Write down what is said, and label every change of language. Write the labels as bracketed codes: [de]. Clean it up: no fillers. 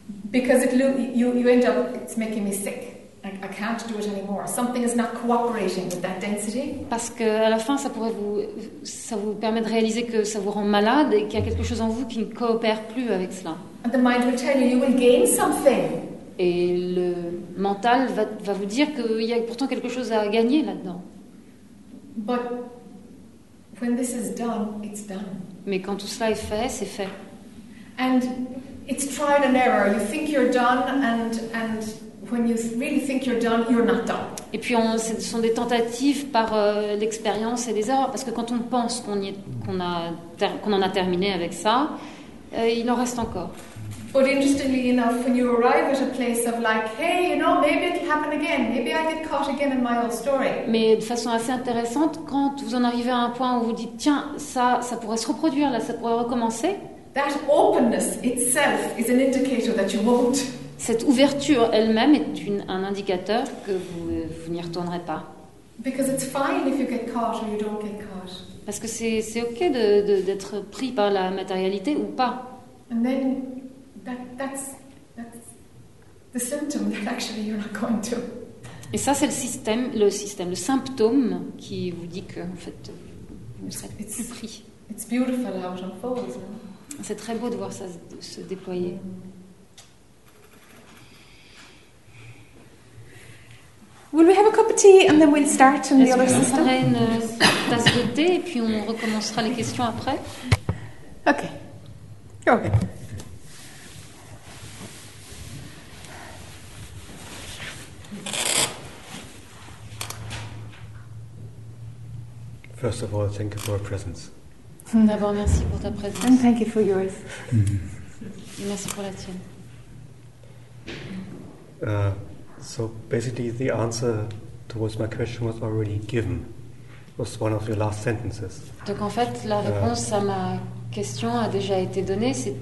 [en] Because you end up, it's making me sick. I can't do it anymore. Something is not cooperating with that density. [fr] Parce que à la fin, ça vous permet de réaliser que ça vous rend malade et qu'il y a quelque chose en vous qui ne coopère plus avec cela. [en] And the mind will tell you will gain something. [fr] Et le mental va vous dire qu'il y a pourtant quelque chose à gagner là-dedans. [en] But when this is done, it's done. [fr] Mais quand tout cela est fait, c'est fait. [en] And it's trial and error. You think you're done, and when you really think you're done, you're not done. [fr] Et puis ce sont des tentatives par l'expérience et des erreurs, parce que quand on pense qu'on en a terminé avec ça, il en reste encore. [en] But interestingly enough, when you arrive at a place of like, hey, you know, maybe it'll happen again. Maybe I get caught again in my old story. [fr] Mais de façon assez intéressante, quand vous en arrivez à un point où vous dites, tiens, ça pourrait se reproduire là, ça pourrait recommencer. [en] That openness itself is an indicator that you won't. [fr] Cette ouverture elle-même est un indicateur que vous n'y retournerez pas. [en] Because it's fine if you get caught or you don't get caught. [fr] Parce que c'est ok d'être pris par la matérialité ou pas. [en] And then that's the symptom that actually you're not going to. [fr] Et ça c'est le symptôme qui vous dit que en fait vous serez plus pris. [en] It's beautiful how it unfolds. [fr] C'est très beau de voir ça se déployer. [en] Will we have a cup of tea and then we'll start on the other system? [fr] Est-ce qu'on ferait une tasse de thé et puis on recommencera les questions après? [en] Okay. You're okay. First of all, thank you for your presence. [fr] D'abord, merci pour ta présence. [en] And thank you for yours. [fr] Et merci pour la tienne. [en] So basically, the answer towards my question was already given. It was one of your last sentences. [fr] Donc en fait, la réponse à ma question a déjà été donnée.